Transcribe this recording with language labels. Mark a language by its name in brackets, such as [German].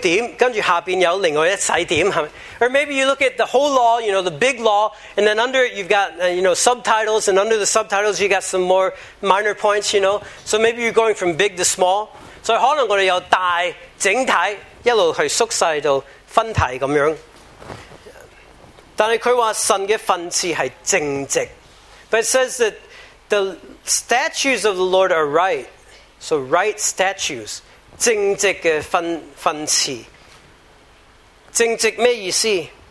[Chinese] 或者有律法是大的跟著分就是有分段又是不同的標點跟著下面有另外一細點 [English] Or maybe you look at the whole law, you know, the big law, and then under it you've got, you know, subtitles, and under the subtitles you got some more minor points, you know. So maybe you're going from big to small. So [Chinese] 可能我們有大整體一路去縮小到分體這樣但是他說神的訓詞是正直 [English] But it says that the statutes of the Lord are right. So right statutes. [Chinese] 正直的訓詞 正直什么意思?